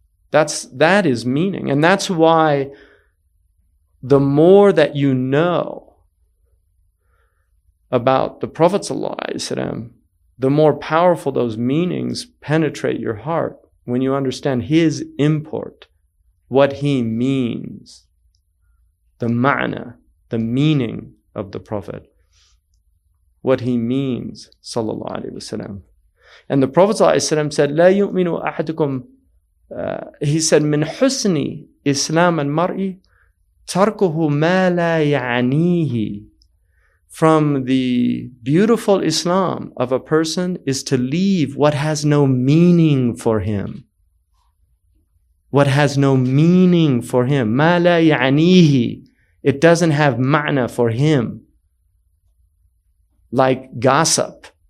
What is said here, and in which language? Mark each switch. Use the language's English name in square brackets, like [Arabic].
[English] That is meaning. And that's why the more that you know about the Prophet ﷺ, the more powerful those meanings penetrate your heart when you understand his import, what he means, the ma'na, the meaning of the Prophet, what he means, sallallahu alayhi wa sallam. And the Prophet ﷺ said, [Arabic] لا يؤمن أحدكم, [English] he said, [Arabic] من حسن إسلام المرء تركه ما لا يعنيه. [English] From the beautiful Islam of a person is to leave what has no meaning for him. What has no meaning for him. [Arabic] ما لا يعنيه. [English] It doesn't have ma'na for him. Like gossip.